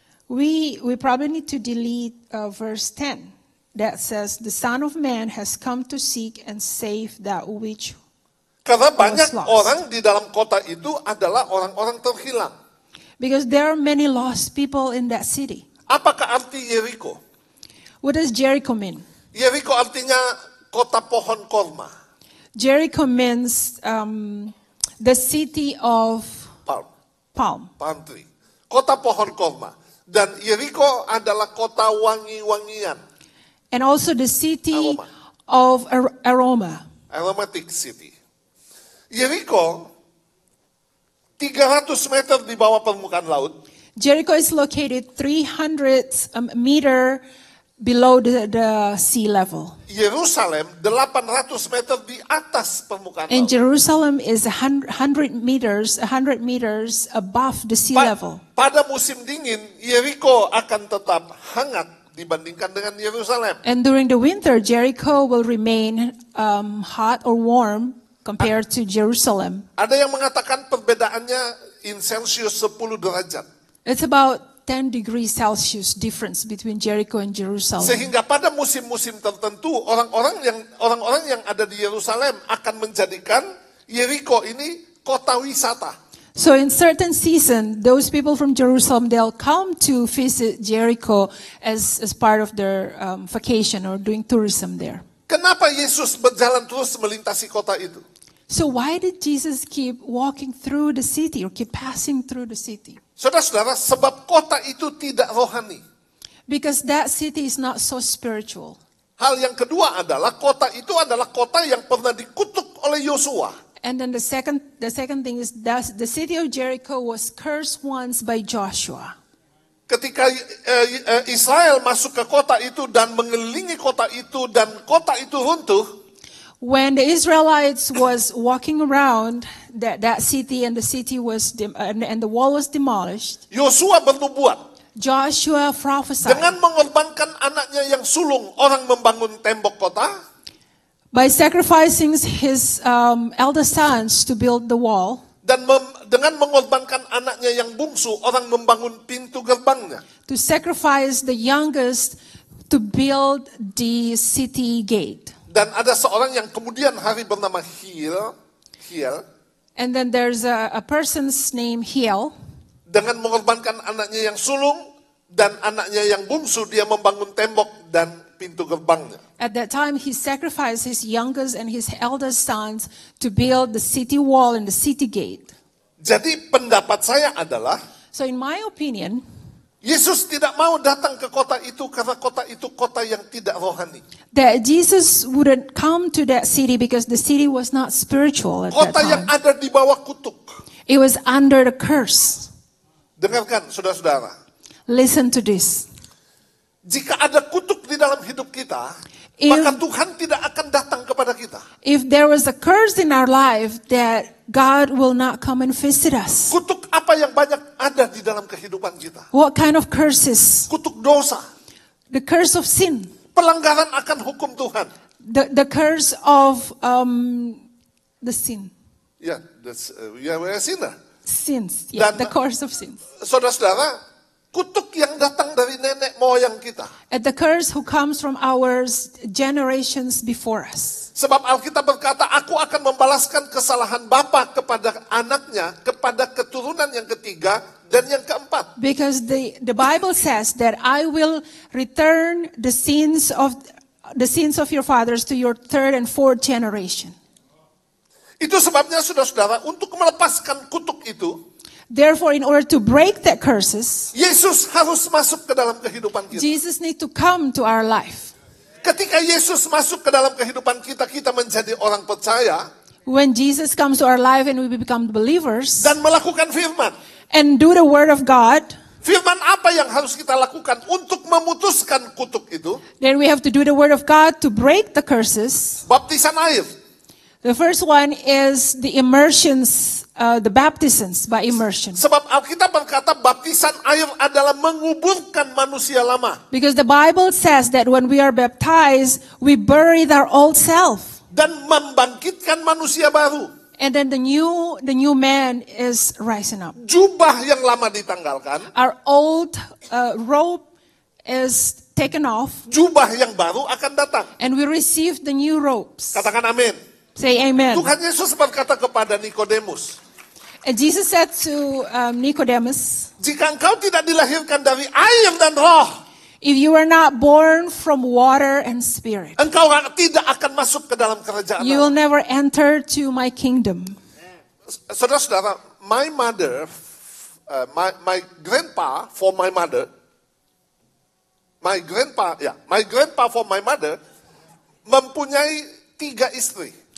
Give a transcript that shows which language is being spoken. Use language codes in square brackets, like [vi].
[en] We probably need to delete verse 10 that says the Son of Man has come to seek and save that which [id] karena banyak [en] was lost. [id] Orang di dalam kota itu adalah orang-orang terhilang. [en] Because there are many lost people in that city. [id] Apakah arti Jericho? [en] What does Jericho mean? [id] Jericho artinya kota pohon korma. [en] Jericho means the city of palm tree, [id] kota pohon korma, dan Jericho adalah kota wangi-wangian, [en] and also the city of aroma, aromatic city. [id] Jericho 300 meter di bawah permukaan laut. [en] Jericho is located 300 meter below the sea level. [id] Yerusalem 800 meter di atas permukaan laut. [en] And Jerusalem is 100 meters above the sea level. [id] Pada musim dingin, Jericho akan tetap hangat dibandingkan dengan Yerusalem. [en] And during the winter, Jericho will remain hot or warm compared to Jerusalem. [id] Ada yang mengatakan perbedaannya [en] in Celsius [id] 10 derajat. [en] It's about 10 degrees Celsius difference between Jericho and Jerusalem. [id] Sehingga pada musim-musim tertentu orang-orang yang ada di Yerusalem akan menjadikan Jericho ini kota wisata. [en] So in certain season, those people from Jerusalem, they'll come to visit Jericho as part of their vacation or doing tourism there. [id] Kenapa Yesus berjalan terus melintasi kota itu? [en] So why did Jesus keep walking through the city or keep passing through the city? [id] Saudara-saudara, sebab kota itu tidak rohani. [en] Because that city is not so spiritual. [id] Hal yang kedua adalah kota itu adalah kota yang pernah dikutuk oleh Yosua. [en] And then the second thing is that the city of Jericho was cursed once by Joshua. [id] Ketika Israel masuk ke kota itu dan mengelilingi kota itu dan kota itu runtuh. [en] When the Israelites was walking around that city and the city was and the wall was demolished. [id] Yosua bernubuat. [en] Joshua prophesied. [id] Dengan mengorbankan anaknya yang sulung, orang membangun tembok kota. [en] By sacrificing his eldest sons to build the wall. [id] Dan dengan mengorbankan anaknya yang bungsu, orang membangun pintu gerbangnya. [en] To sacrifice the youngest to build the city gate. [id] Dan ada seorang yang kemudian hari bernama Hiel. [en] And then there's a person's name Hiel. [id] Dengan mengorbankan anaknya yang sulung dan anaknya yang bungsu, dia membangun tembok dan pintu gerbangnya. [en] At that time, he sacrificed his youngest and his eldest sons to build the city wall and the city gate. [id] Jadi pendapat saya adalah. [en] So in my opinion, [id] Yesus tidak mau datang ke kota itu karena kota itu kota yang tidak rohani. [en] That Jesus wouldn't come to that city because the city was not spiritual at [id] kota Kota yang ada di bawah kutuk. [en] It was under the curse. [id] Dengarkan, saudara-saudara. [en] Listen to this. [id] Jika ada kutuk di dalam hidup kita, maka Tuhan tidak akan datang kepada kita. [en] If there was a curse in our life, that God will not come and visit us. [id] Kutuk apa yang banyak ada di dalam kehidupan kita? [en] What kind of curses? [id] Kutuk dosa. [en] The curse of sin. [id] Pelanggaran akan hukum Tuhan. [en] The curse of the sin. Yeah, that's sin. Sins. Yeah, dan, the curse of sins. [id] Saudara-saudara, kutuk yang datang dari nenek moyang kita. [en] At the curse who comes from our generations before us. [id] Sebab Alkitab berkata, aku akan membalaskan kesalahan bapa kepada anaknya, kepada keturunan yang ketiga dan yang keempat. [en] Because the Bible says that I will return the sins of your fathers to your third and fourth generation. [id] Itu sebabnya saudara-saudara, untuk melepaskan kutuk itu, [en] therefore, in order to break that curses, [id] Yesus harus masuk ke dalam kehidupan kita. [en] Jesus need to come to our life. [id] Ketika Yesus masuk ke dalam kehidupan kita, kita menjadi orang percaya. [en] When Jesus comes to our life and we become believers, [id] dan melakukan firman, [en] and do the word of God, [id] firman apa yang harus kita lakukan untuk memutuskan kutuk itu? [en] Then we have to do the word of God to break the curses. [id] Baptisan air. [en] The first one is the immersions, the baptisms by immersion. [id] Sebab Alkitab berkata baptisan air adalah menguburkan manusia lama. [en] Because the Bible says that when we are baptized, we bury our old self. [id] Dan membangkitkan manusia baru. [en] And then the new man is rising up. [id] Jubah yang lama ditanggalkan. [en] Our old robe is taken off. [id] Jubah yang baru akan datang. [en] And we receive the new robes. [id] Katakan amin. [en] Say amen. [id] Tuhan Yesus berkata kepada Nikodemus. [en] Jesus said to Nicodemus, [id] jika engkau tidak dilahirkan dari air dan roh, [en] if you were not born from water and spirit, [id] engkau tidak akan masuk ke dalam kerajaan. [en] You will never enter to my kingdom. [id] Saudara-saudara, [en] my mother, my grandpa for my mother, my grandpa for my mother, [id] mempunyai 3 istri.